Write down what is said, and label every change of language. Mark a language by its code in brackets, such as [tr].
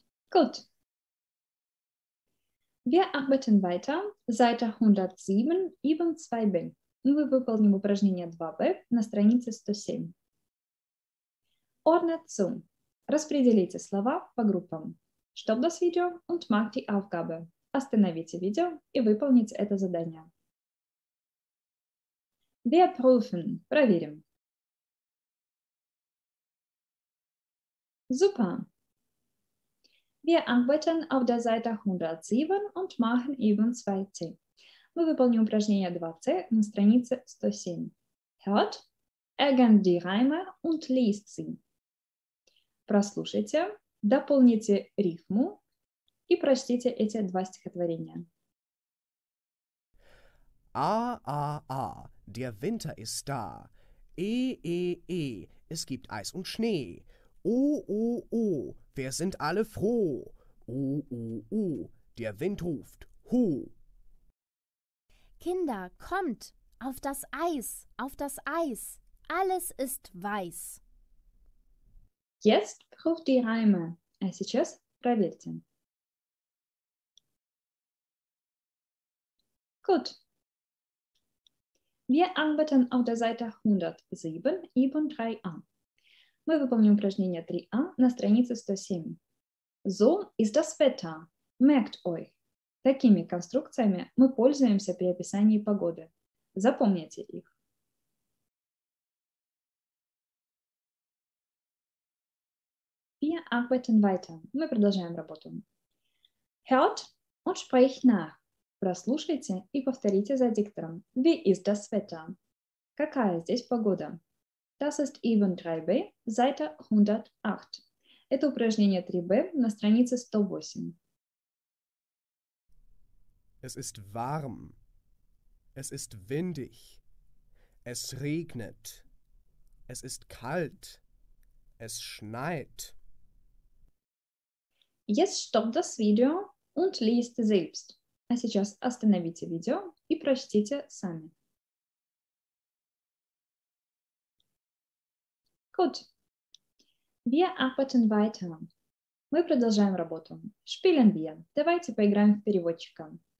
[de] Gut. Wir arbeiten weiter. Seite 107, eben 2b. [ru] Мы выполним упражнение 2b на странице 107. [de] Ordnetzum. [ru] Распределите слова по группам. [de] Stopp das Video und mach die Aufgabe. [ru] Остановите видео и выполните это задание. [de] Wir prüfen. [ru] Проверим. [de] Super. Wir arbeiten auf der Seite 107 und machen eben 2c. [ru] Мы выполним упражнение 2c на странице 107. [de] Hört, ergänzt die Reime und liest sie. [ru] Прослушайте, дополните рифму и прочтите эти два стихотворения. [de] А-а-а, der Winter ist da. Э-э-э, es gibt Eis und Schnee. О-о-о, wir sind alle froh. О-о-о, der Wind ruft. Ho! Kinder, kommt! Auf das Eis! Auf das Eis! Alles ist weiß! Jetzt prüft die Reime. [ru] А сейчас проверьте. [de] Gut. Wir arbeiten auf der Seite 107, eben 3a. [ru] Мы выполним упражнение 3a на странице 107. [de] So ist das Wetter. Merkt euch. [ru] Такими конструкциями мы пользуемся при описании погоды. Запомните их. [de] Wir arbeiten weiter. [ru] Мы продолжаем работу. [de] Hört und sprecht nach. [ru] Прослушайте и повторите за диктором. [de] Wie ist das Wetter? [ru] Какая здесь погода? [de] Das ist eben 3b, Seite 108. [ru] Это упражнение 3b на странице 108. [de] Es ist warm. Es ist windig. Es regnet. Es ist kalt. Es schneit. Jetzt stoppt das Video und liest selbst. [ru] А сейчас остановите видео и прочтите сами. [de] Gut. Wir arbeiten weiter. [ru] Мы продолжаем работу. [de] Spielen wir. [ru] Давайте поиграем в переводчика.